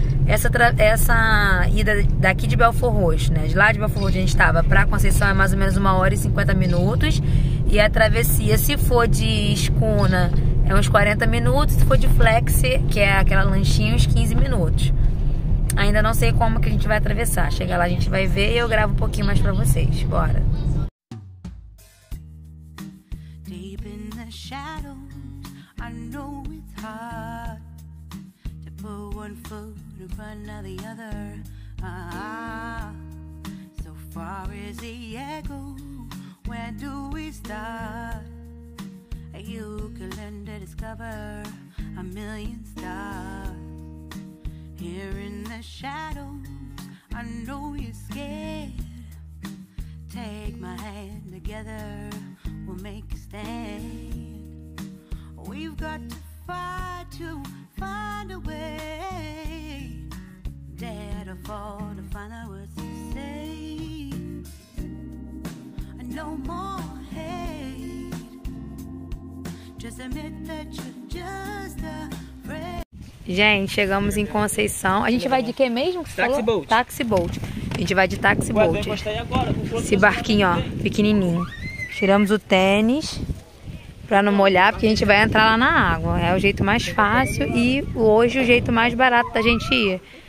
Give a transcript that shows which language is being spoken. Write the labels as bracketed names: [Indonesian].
[Portuguese] Essa ida daqui de Belfort Roxo, né? De lá de Belfort Roxo a gente tava pra Conceição é mais ou menos 1h50. E a travessia, se for de escuna, é uns 40 minutos. Se for de flex, que é aquela lanchinha, uns 15 minutos. Ainda não sei como que a gente vai atravessar. Chega lá, a gente vai ver e eu gravo um pouquinho mais pra vocês. Bora! [English] Deep in the shadows, I know it's hard to put one foot in front of the other. So far as the echo, where do we start? You can learn to discover a million stars. Here in the shadows, I know you're scared. Take my hand together, we'll make a stand. We've got to fight to find a way. Dare to fall to find the words to say. No more hate. Just admit that you're just afraid. [Portuguese] Gente, chegamos em Conceição. A gente vai de que mesmo? Que você táxi falou? Boat. Táxi boat. A gente vai de táxi Ué, [English] boat. [Portuguese] Vem agora, esse barquinho, ó, tem. Pequenininho. Tiramos o tênis pra não molhar, porque a gente vai entrar lá na água. É o jeito mais fácil e hoje o jeito mais barato da gente ir.